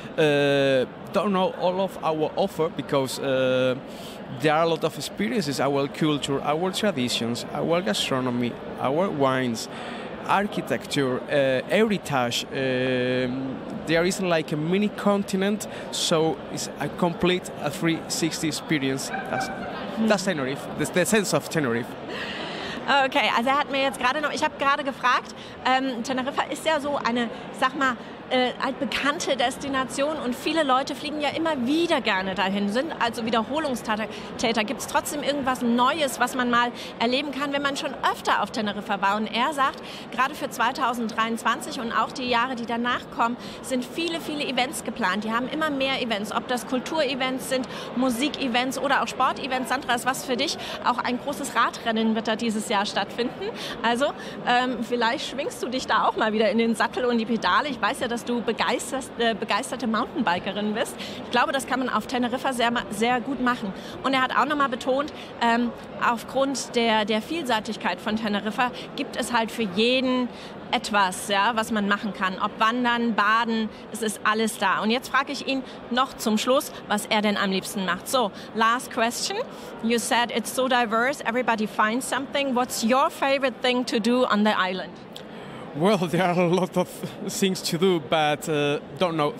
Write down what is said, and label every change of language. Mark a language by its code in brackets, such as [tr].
[en] Don't know all of our offer because there are a lot of experiences, our culture, our traditions, our gastronomy, our wines, architecture, heritage. There is like a mini continent, so it's a complete 360 experience. That's Tenerife, that's the sense of Tenerife. [de] Okay, also er hat mir jetzt gerade noch, ich habe gerade gefragt, Teneriffa ist ja so eine, sag mal, altbekannte Destination und viele Leute fliegen ja immer wieder gerne dahin, sind also Wiederholungstäter. Gibt es trotzdem irgendwas Neues, was man mal erleben kann, wenn man schon öfter auf Teneriffa war? Und er sagt, gerade für 2023 und auch die Jahre, die danach kommen, sind viele, viele Events geplant. Die haben immer mehr Events, ob das Kulturevents sind, Musikevents oder auch Sportevents. Sandra, ist was für dich? Auch ein großes Radrennen wird da dieses Jahr stattfinden. Also vielleicht schwingst du dich da auch mal wieder in den Sattel und die Pedale. Ich weiß ja, dass du begeisterte Mountainbikerin bist. Ich glaube, das kann man auf Teneriffa sehr, sehr gut machen. Und er hat auch nochmal betont, aufgrund der Vielseitigkeit von Teneriffa gibt es halt für jeden etwas, ja, was man machen kann. Ob wandern, baden, es ist alles da. Und jetzt frage ich ihn noch zum Schluss, was er denn am liebsten macht. [en] So, last question. You said it's so diverse, everybody finds something. What's your favorite thing to do on the island? Well, there are a lot of things to do, but don't know.